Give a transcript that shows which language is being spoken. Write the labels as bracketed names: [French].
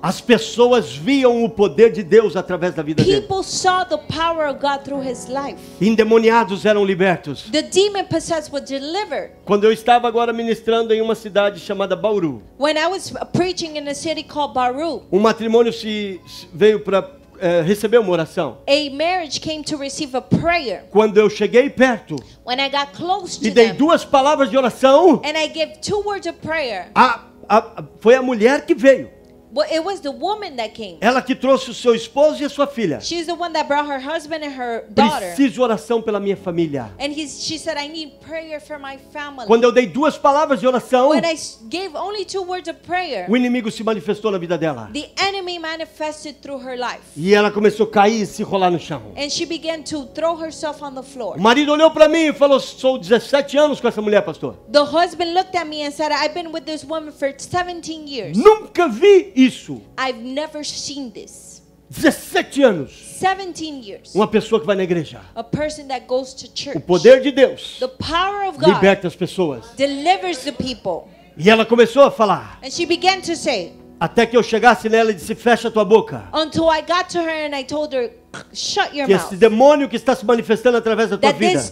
[Portuguese] As pessoas viam o poder de Deus através da vida dele. [English] People saw the power of God through his life. [Portuguese] Endemoniados eram libertos. [English] The demon possessed were delivered. [Portuguese] Quando eu estava agora ministrando em uma cidade chamada Bauru. [English] When I was preaching in a city called Bauru. [Portuguese] Um matrimônio se veio para recebeu uma oração. [English] A marriage came to receive a prayer. [Portuguese] Quando eu cheguei perto. [English] When I got close to [Portuguese] e dei [English] them, [Portuguese] duas palavras de oração. [English] And I gave two words of prayer. [Portuguese] Foi a mulher que veio. [English] It was the woman that came. [Portuguese] Ela que trouxe o seu esposo e a sua filha. [English] She's the one that brought her husband and her daughter. [Portuguese] Preciso de oração pela minha família. [English] And she said, I need prayer for my family. [Portuguese] Quando eu dei duas palavras de oração, [English] when I gave only two words of prayer, [Portuguese] o inimigo se manifestou na vida dela. [English] The enemy manifested through her life. [Portuguese] E ela começou a cair e se rolar no chão. [English] And she began to throw herself on the floor. [Portuguese] O marido olhou para mim e falou: sou 17 anos com essa mulher, pastor. [English] The husband looked at me and said, I've been with this woman for 17 years. [Portuguese] Nunca vi isso. [English] I've never seen this. [Portuguese] 17 anos. [English] 17 years. [Portuguese] Uma pessoa que vai na igreja. [English] A person that goes to church. [Portuguese] O poder de Deus. [English] The power of God. [Portuguese] Liberta as pessoas. [English] Delivers the people. [Portuguese] E ela começou a falar. [English] And she began to say. [Portuguese] Até que eu chegasse nela e disse: fecha tua boca. [English] Until I got to her and I told her, shut your [Portuguese] que esse demônio que está se manifestando através da tua vida,